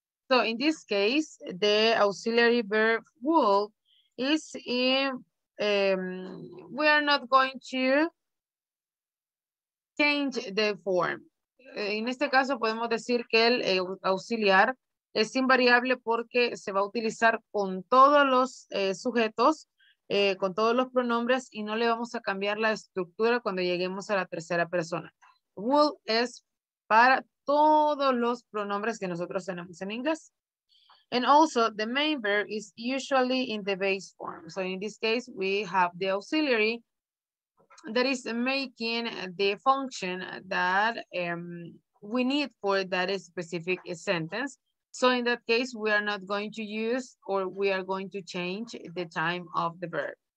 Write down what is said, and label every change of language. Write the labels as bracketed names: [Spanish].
[English] So in this case, the auxiliary verb wool is in, we are not going to change the form. [Spanish] En este caso podemos decir que el auxiliar es invariable porque se va a utilizar con todos los sujetos, con todos los pronombres y no le vamos a cambiar la estructura cuando lleguemos a la tercera persona. Will es para todos los pronombres que nosotros tenemos en inglés. [English] And also, the main verb is usually in the base form. So in this case, we have the auxiliary that is making the function that we need for that specific sentence. So in that case, we are not going to use or we are going to change the time of the verb.